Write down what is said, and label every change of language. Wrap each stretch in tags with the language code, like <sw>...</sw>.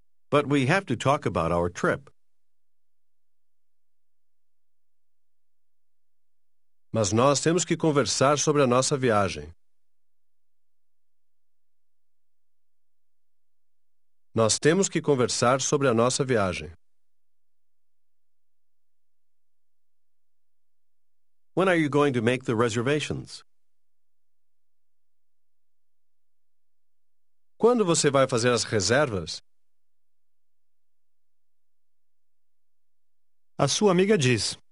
<en>But we have to talk about our trip.</en> <pt>Mas nós temos que conversar sobre a nossa viagem. Nós temos que conversar sobre a nossa viagem.</pt> <en>When are you going to make the reservations?</en> <pt>Quando você vai fazer as reservas? A sua amiga diz,</pt>